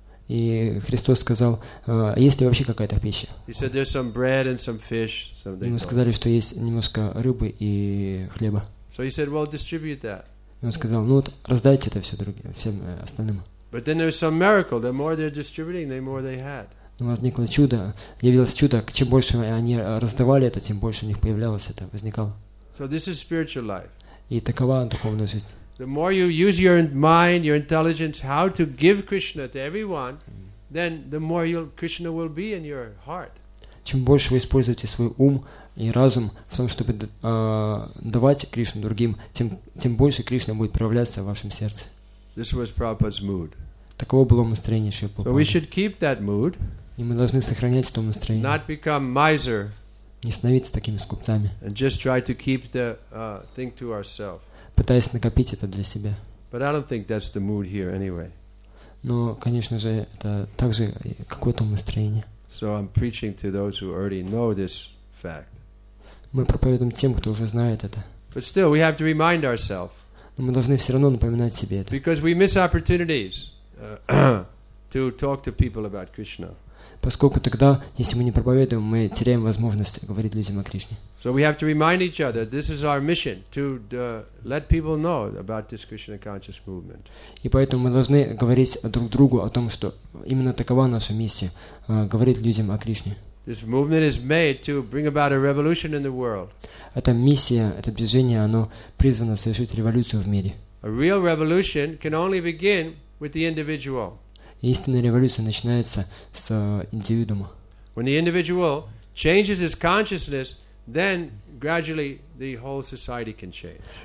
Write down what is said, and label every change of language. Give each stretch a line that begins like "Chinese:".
Russian: И Христос сказал, есть ли вообще какая-то пища?
English: He said, "There's some bread and some fish."
Russian: Ему сказали, что есть немножко рыбы и хлеба.
English: So he said, "Well, distribute that."
Russian: И он сказал, ну вот раздайте это все другим, всем остальным.
English: But then there was some miracle. The more they're distributing, the more they had.
Russian: Но возникло чудо, явилось чудо, чем больше они раздавали это, тем больше у них появлялось это, возникало.
English: So this is spiritual life.
Russian: И такова духовная жизнь.
English: The more you use your mind, your intelligence, how to give Krishna to everyone, then the more Krishna will be in your heart.
Russian: Чем больше вы используете свой ум и разум в том, чтобы давать Кришну другим, тем больше Кришна будет проявляться в вашем сердце.
English: This was Prabhupada's mood.
Russian: Таково было настроение Шрилы Прабхупады.
English: So we should keep that mood.
Russian: И мы должны сохранять это настроение.
English: Not become miser.
Russian: Не становиться такими скупцами.
English: And just try to keep the thing to ourselves.
Russian: Пытаясь накопить это для себя.
English: But I don't think that's the mood here anyway.
Russian: Но, конечно же, это также какое-то настроение.
English: So I'm preaching to those who already know this fact.
Russian: Мы проповедуем тем, кто уже знает это.
English: But still, we have to remind ourselves.
Russian: Но мы должны все равно напоминать себе это.
English: Because we miss opportunities to talk to people about Krishna.
Russian: Поскольку тогда, если мы не проповедуем, мы теряем возможность говорить людям о Кришне.
English: So we have to remind each other. This is our mission to let people know about this Krishna conscious movement.
Russian: И поэтому мы должны говорить друг другу о том, что именно такова наша миссия — говорить людям о Кришне.
English: This movement is made to bring about a revolution in the world.
Russian: Эта миссия, это движение, оно призвано совершить революцию в мире.
English: A real revolution can only begin with the individual.
Russian: Истинная революция начинается с индивидуума.
English: When the individual changes his consciousness, then gradually the whole society can change.